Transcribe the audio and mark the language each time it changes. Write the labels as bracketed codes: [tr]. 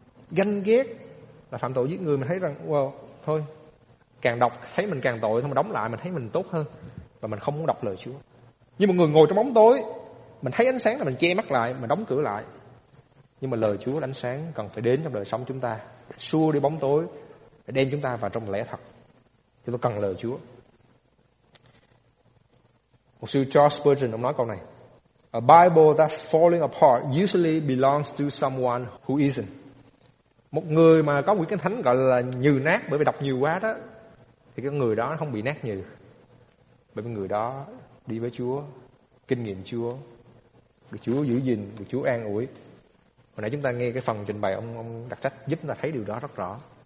[vi] Ganh ghét là phạm tội giết người. Mình thấy rằng, wow, thôi, càng đọc thấy mình càng tội, thôi mà đóng lại mình thấy mình tốt hơn. Và mình không muốn đọc lời Chúa. Như một người ngồi trong bóng tối, mình thấy ánh sáng là mình che mắt lại, mình đóng cửa lại. Nhưng mà lời Chúa là ánh sáng cần phải đến trong đời sống chúng ta, xua đi bóng tối, để đem chúng ta vào trong lẽ thật. Chúng ta cần lời Chúa. Một sư Charles Spurgeon, ông nói câu này: [en] A Bible that's falling apart usually belongs to someone who isn't. [vi] Một người mà có quyển kinh thánh gọi là nhừ nát bởi vì đọc nhiều quá đó, thì cái người đó không bị nát nhừ. Bởi vì người đó đi với Chúa, kinh nghiệm Chúa, được Chúa giữ gìn, được Chúa an ủi. Hồi nãy chúng ta nghe cái phần trình bày ông đặc trách giúp chúng ta thấy điều đó rất rõ.